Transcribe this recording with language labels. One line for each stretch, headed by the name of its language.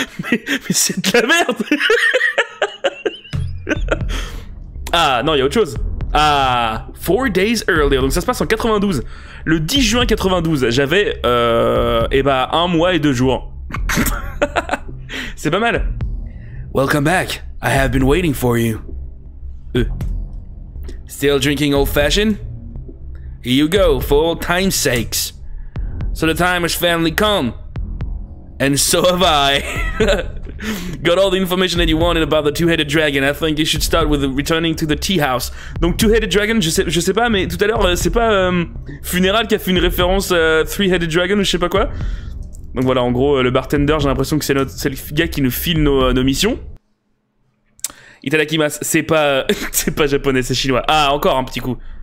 French: Mais c'est de la merde. Ah non, il y a autre chose. Ah,
English: 4 days earlier.
French: Donc ça se passe en 92. Le 10 juin 92, j'avais un mois et deux jours. C'est pas mal.
English: Welcome back. I have been waiting for you. Still drinking old fashioned? Here you go, for old time's sakes. So the time has finally come. And so have I. Got all the information that you wanted about the two-headed dragon. I think you should start with returning to the tea house.
French: Donc two-headed dragon, je sais pas, mais tout à l'heure, c'est pas Funeral qui a fait une référence à three-headed dragon ou je sais pas quoi. Donc voilà, en gros, le bartender, j'ai l'impression que c'est le gars qui nous file nos missions. Itadakimasu, c'est pas c'est pas japonais, c'est chinois. Ah, encore un petit coup.